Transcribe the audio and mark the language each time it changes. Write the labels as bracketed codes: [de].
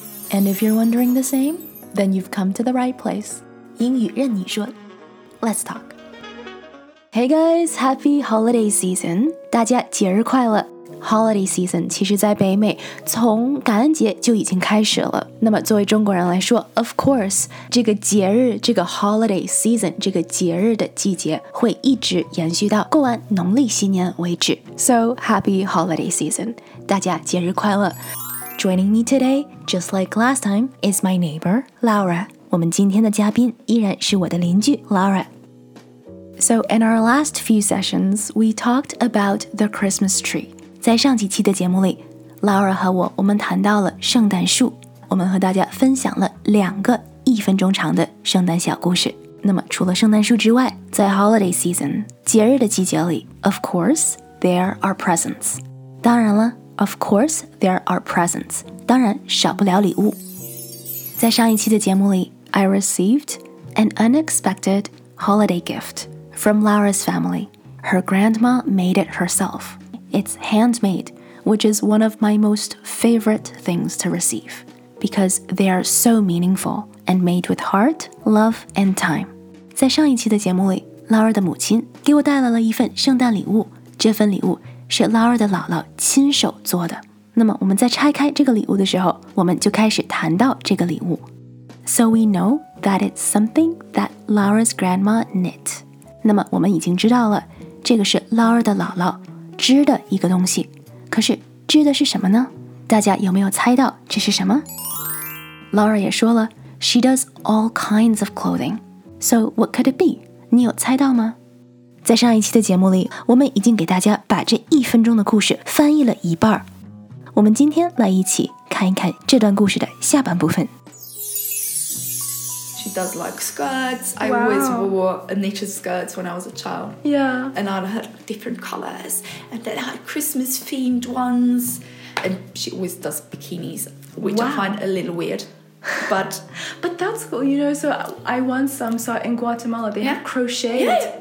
[en] ？And if you're wondering the same, then you've come to the right place. [zh] 英语任你说 ， [en] Let's talk。 Hey guys, happy holiday season! [zh] 大家节日快乐。 Holiday season 其实在北美从感恩节就已经开始了。那么作为中国人来说 ， [en] of course， [zh] 这个节日，这个 holiday season， 这个节日的季节会一直延续到过完农历新年为止。 [en] So happy holiday season! [zh] 大家节日快乐。 [en] Joining me today, just like last time, is my neighbor Laura. [zh] 我们今天的嘉宾依然是我的邻居 Laura。 [en] So in our last few sessions, we talked about the Christmas tree. [zh] 在上几期的节目里 ，Laura 和我们谈到了圣诞树。我们和大家分享了两个一分钟长的圣诞小故事。那么，除了圣诞树之外，在 holiday season 节日的季节里 ， [en] of course there are presents. [zh] 当然了 [en] ，of course there are presents. [zh] 当然少不了礼物。在上一期的节目里 [en] ，I received an unexpected holiday gift. From Laura's family. Her grandma made it herself. It's handmade, which is one of my most favorite things to receive, because they are so meaningful and made with heart, love, and time. [zh] 在上一期的节目里 ,Laura 的母亲给我带来了一份圣诞礼物。这份礼物是 Laura 的姥姥亲手做的。那么我们在拆开这个礼物的时候，我们就开始谈到这个礼物。 [en] So we know that it's something that Laura's grandma knit. [zh] 那么我们已经知道了，这个是 Laura 的姥姥织的一个东西。可是织的是什么呢？大家有没有猜到这是什么？ Laura 也说了 [en] ，She does all kinds of clothing. So what could it be? [zh] 你有猜到吗？在上一期的节目里，我们已经给大家把这一分钟的故事翻译了一半。我们今天来一起看一看这段故事的下半部分。 [en] She does like skirts. I Wow. always wore knitted skirts when I was a child. Yeah. And I'd have different colors. And then I had Christmas themed ones. And she always does bikinis, which Wow. I find a little weird. But, but that's cool. You know, so I once saw in Guatemala, they Yeah. have crocheted Yeah.